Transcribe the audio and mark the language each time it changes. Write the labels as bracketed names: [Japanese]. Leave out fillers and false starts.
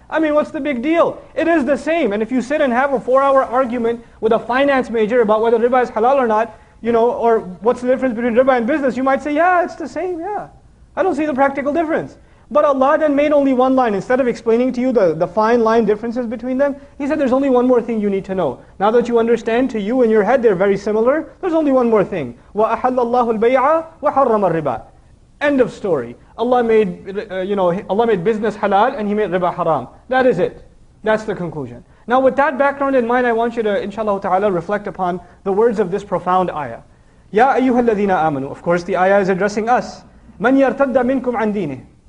[English] I mean, what's the big deal? It is the same. And if you sit and have a four-hour argument with a finance major about whether riba is halal or not, you know, or what's the difference between riba and business, you might say, yeah, it's the same, yeah. I don't see the practical difference. But Allah then made only one line. Instead of explaining to you the fine line differences between them, He said, there's only one more thing you need to know. Now that you understand to you in your head they're very similar, there's only one more thing. [Arabic] وَأَحَلَّ اللَّهُ الْبَيْعَ وَحَرَّمَ الرِّبَى [English] End of story. Allah made business halal and He made riba haram. That is it. That's the conclusion. Now with that background in mind, I want you to, inshallah ta'ala, reflect upon the words of this profound ayah. [Arabic] Ya ayyuha alladhina amanu. [English] Of course, the ayah is addressing us. [Arabic] Man yartadda minkum an deenih.